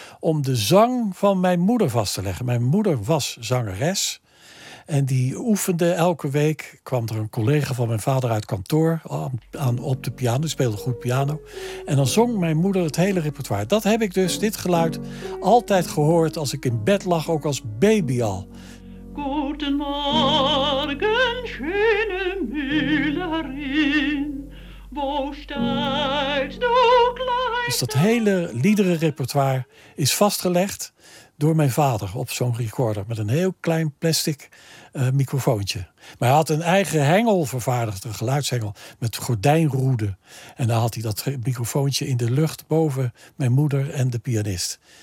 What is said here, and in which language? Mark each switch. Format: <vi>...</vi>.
<nl>om de zang van mijn moeder vast te leggen. Mijn moeder was zangeres. En die oefende elke week. Kwam er een collega van mijn vader uit kantoor op de piano. Die speelde goed piano. En dan zong mijn moeder het hele repertoire. Dat heb ik dus, dit geluid, altijd gehoord als ik in bed lag, ook als baby al.</nl> <de>Guten Morgen, schöne Müllerin, wo steigst du klein?</de> <nl>Dus dat hele liederenrepertoire is vastgelegd door mijn vader op zo'n recorder met een heel klein plastic microfoontje. Maar hij had een eigen hengel vervaardigd, een geluidshengel met gordijnroeden. En dan had hij dat microfoontje in de lucht boven mijn moeder en de pianist.</nl>